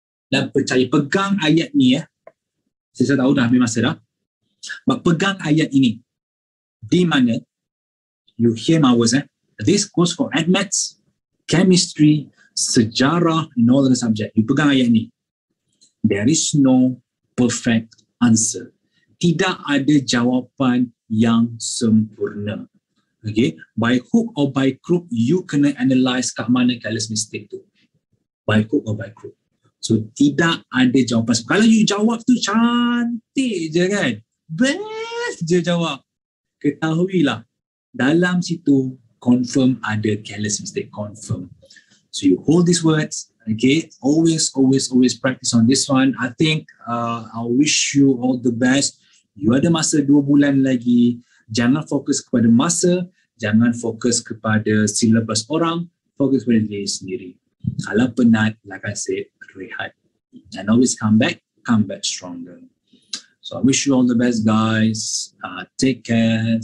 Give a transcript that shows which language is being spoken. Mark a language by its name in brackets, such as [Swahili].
[Malay] Dan percaya, pegang ayat ni ya. Saya tahu dah habis masa dah. But pegang ayat ini. Di mana, [English] you hear my words This goes for admats, chemistry, sejarah, and all the subject. You [Malay] pegang ayat ni. [English] There is no perfect answer. [Malay] Tidak ada jawapan yang sempurna. [English] Okay, by hook or by crook, you [Malay] kena [English] analyse [Malay] kat mana [English] careless mistake tu. By hook or by crook. [Malay] So, tidak ada jawapan. Kalau you jawab tu cantik je kan? Best je jawab. Ketahuilah, dalam situ confirm ada [English] careless mistake. [Malay] Confirm. [English] So, you hold these words. Okay, always practice on this one. I think I wish you all the best. [Malay] You ada masa 2 bulan lagi. Jangan fokus kepada masa. Jangan fokus kepada syllabus orang. Fokus kepada diri sendiri. Kalau penat, [English] like I said, [Malay] rehat. [English] And always come back stronger. So I wish you all the best, guys. Take care.